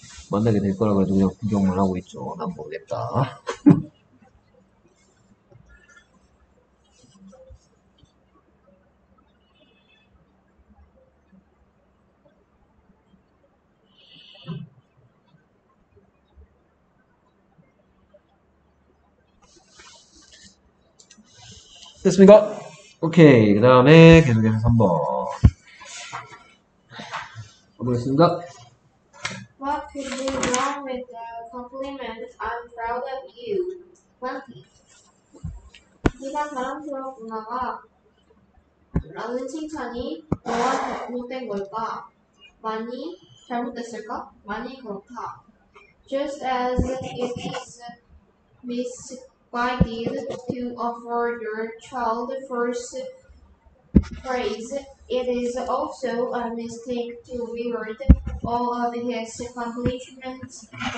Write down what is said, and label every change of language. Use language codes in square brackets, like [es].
[ko] 만나게 될 거라고 해도 그냥 구경만 하고 있죠 난 모르겠다 됐습니까? 오케이 그 다음에 계속해서 3번 가보겠습니다 [en] What could be wrong with the compliment I'm proud of you? [ko] 20 네가 자랑스럽구나 라는 칭찬이 너와 잘못된 걸까? 많이 잘못됐을까? 많이 그렇다 [en] Just as it is misguided to offer your child the first praise, it is also a mistake to reward all of his accomplishments.